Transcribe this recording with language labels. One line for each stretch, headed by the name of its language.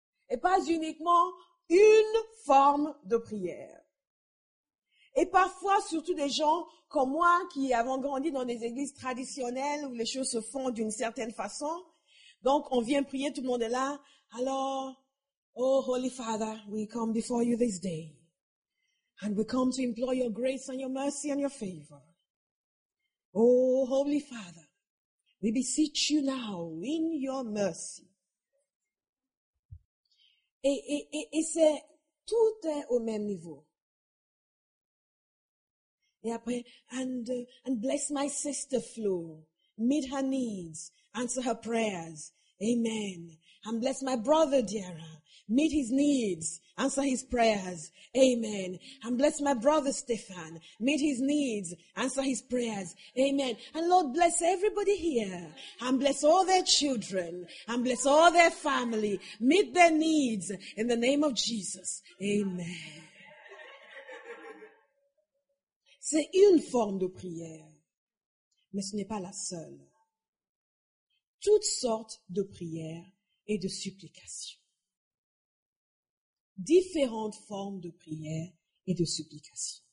French: Et pas uniquement une forme de prière. Et parfois, surtout des gens comme moi qui avons grandi dans des églises traditionnelles où les choses se font d'une certaine façon. Donc, on vient prier, tout le monde est là. Alors,
English: Oh, Holy Father, we come before you this day. And we come to implore your grace and your mercy and your favor. Oh, Holy Father, we beseech you now in your mercy.
French: Et c'est tout est au même niveau. Et après,
English: and bless my sister Flo, meet her needs, answer her prayers. Amen. And bless my brother Diarra, meet his needs, answer his prayers. Amen. And bless my brother Stefan, meet his needs, answer his prayers. Amen. And Lord, bless everybody here. And bless all their children. And bless all their family. Meet their needs in the name of Jesus. Amen.
French: C'est une forme de prière, mais ce n'est pas la seule. Toutes sortes de prières et de supplications. Différentes formes de prières et de supplications.